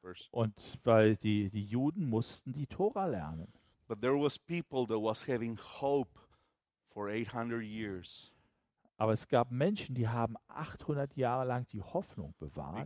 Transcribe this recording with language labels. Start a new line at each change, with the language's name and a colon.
German: Und weil die Juden mussten die Tora lernen.
English: But there was people that was having hope for 800 years.
German: Aber es gab Menschen, die haben 800 Jahre lang die Hoffnung bewahrt.